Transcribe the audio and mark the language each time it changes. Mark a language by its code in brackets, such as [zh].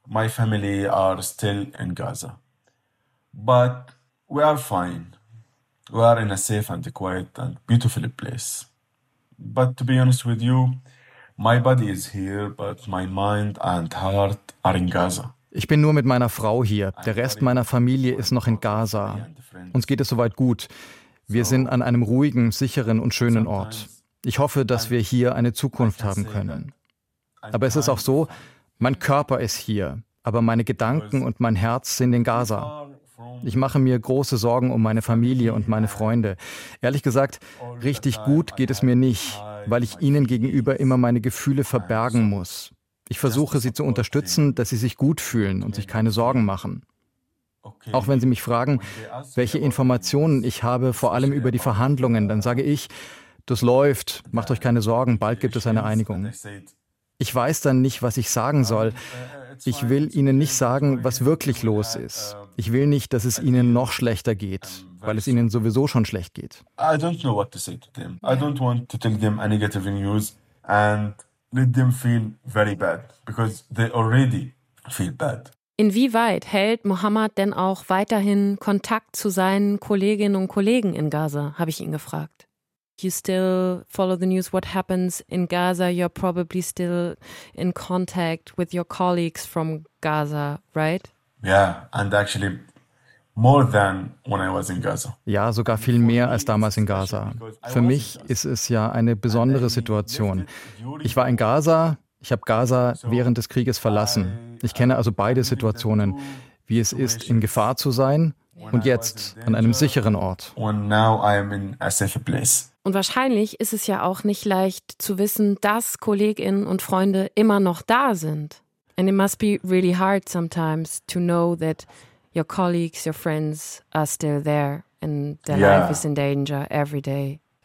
[en] My family are still in Gaza. But we are fine. We are in a safe and quiet and beautiful place. But to be honest with you, my body is here, but my mind and heart are in Gaza. [de] Ich bin nur mit meiner Frau hier. Der Rest meiner Familie ist noch in Gaza. Uns geht es soweit gut. Wir sind an einem ruhigen, sicheren und schönen Ort. Ich hoffe, dass wir hier eine Zukunft haben können. Aber es ist auch so, mein Körper ist hier, aber meine Gedanken und mein Herz sind in Gaza. Ich mache mir große Sorgen um meine Familie und meine Freunde. Ehrlich gesagt, richtig gut geht es mir nicht, weil ich ihnen gegenüber immer meine Gefühle verbergen muss. Ich versuche, sie zu unterstützen, dass sie sich gut fühlen und sich keine Sorgen machen. Auch wenn sie mich fragen, welche Informationen ich habe, vor allem über die Verhandlungen, dann sage ich, das läuft, macht euch keine Sorgen, bald gibt es eine Einigung. Ich weiß dann nicht, was ich sagen soll. Ich will ihnen nicht sagen, was wirklich los ist. Ich will nicht, dass es ihnen noch schlechter geht, weil es ihnen sowieso schon schlecht geht. [en] I don't know what to say to them. I don't want to tell them any negative news and let them feel very bad, because they already feel bad. [de] Inwieweit hält Mohammed denn auch weiterhin Kontakt zu seinen Kolleginnen und Kollegen in Gaza, habe ich ihn gefragt. [en] You still follow the news, what happens in Gaza? You're probably still in contact with your colleagues from Gaza, right? Yeah, and actually more than when I was in Gaza. [de] Ja, sogar viel mehr als damals in Gaza. Für mich ist es ja eine besondere Situation. Ich war in Gaza, ich habe Gaza während des Krieges verlassen. Ich kenne also beide Situationen, wie es ist, in Gefahr zu sein und jetzt an einem sicheren Ort. Und wahrscheinlich ist es ja auch nicht leicht zu wissen, dass KollegInnen und Freunde immer noch da sind. [en] And it must be really hard sometimes to know that your colleagues, your friends are still there and their life is in danger every day.